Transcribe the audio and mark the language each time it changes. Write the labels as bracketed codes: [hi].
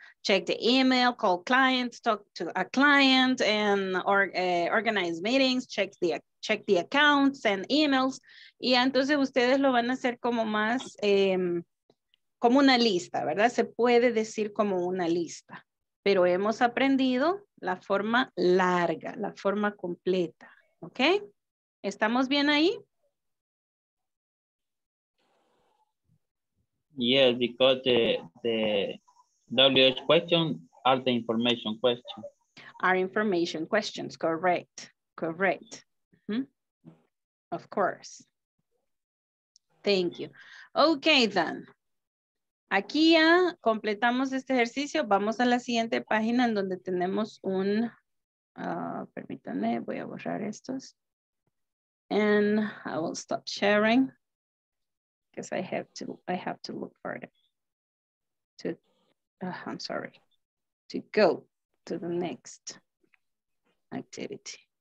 [en] Check the email, call clients, talk to a client and organize meetings, check the accounts and emails. [es] Y entonces ustedes lo van a hacer como más, como una lista, ¿verdad? Se puede decir como una lista, pero hemos aprendido la forma larga, la forma completa, ¿ok? ¿Estamos bien ahí? [en] Yes, because the WH questions are the information questions. Are information questions, correct. Correct. Of course. Thank you. Okay, then. [es] Aquí ya completamos este ejercicio. Vamos a la siguiente página en donde tenemos un... permítanme, voy a borrar estos. [en] And I will stop sharing because I have to look for it to, I'm sorry, to go to the next activity.